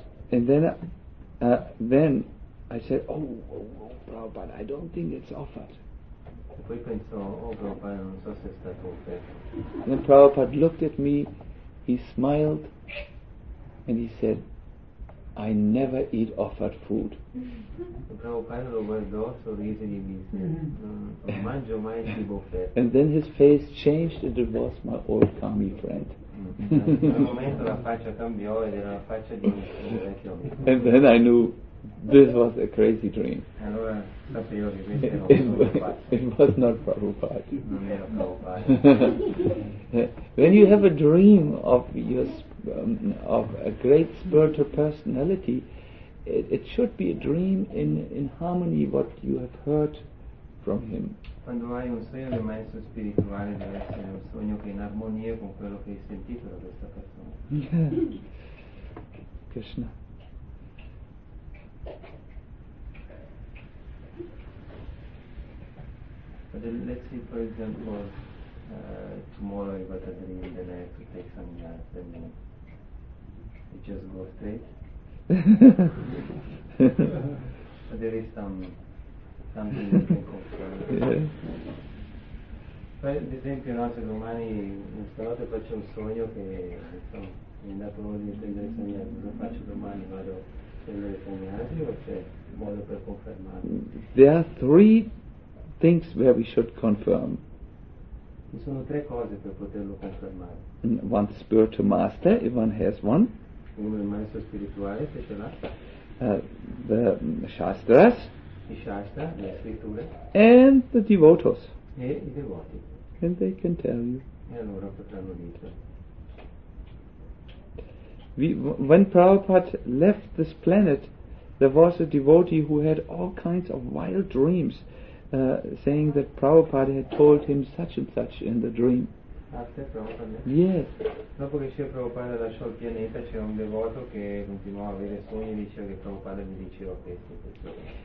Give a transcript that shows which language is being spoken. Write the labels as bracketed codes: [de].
[en] And then I said, oh, Prabhupada, I don't think it's offered. [it] E poi pensò, oh Prabhupada, non so se è stato offerto. [en] And then Prabhupada looked at me, he smiled, and he said, I never eat offered food. [it] E Prabhupada lo guardò, sorrise e mi disse, non mangio mai cibo offerto. [en] And then his face changed and it was my old Kami friend. [it] In quel momento la faccia cambiò ed era la faccia di un vecchio amico. [en] And then I knew. This was a crazy dream. It was not Prabhupada. When you have a dream of your of a great spiritual personality, it should be a dream in harmony what you have heard from him. [it] Quando hai un sogno del maestro spirituale deve essere un sogno che è in armonia con quello che hai sentito da questa persona. [en] Krishna. But then let's see, for example, tomorrow I got a dream, then I have to take some gas, and then it just goes straight. But there is something you can confirm. [it] Per esempio, no, se domani stanotte faccio un sogno che mi è andato l'ora di prendere [en] some gas, [it] cosa faccio domani? Vado a prendere [en] some gas, [it] o c'è modo per confermare? [en] There are three things where we should confirm. [it] Ci sono tre cose per poterlo confermare. [en] One spiritual master, if one has one. [it] Uno il maestro spirituale, se ce l'ha. [en] The shastras. [it] I shastra, le scritture. [en] And the devotees. [it] E i devoti. [en] And they can tell you. [it] E allora potranno dirlo. [en] When Prabhupada left this planet, there was a devotee who had all kinds of wild dreams. Saying that Prabhupada had told him such and such in the dream. After Prabhupada? Yes. [it] Dopo che Srila Prabhupada lasciò il pianeta, c'era un devoto che continuava a avere sogni, diceva che Prabhupada mi diceva questo.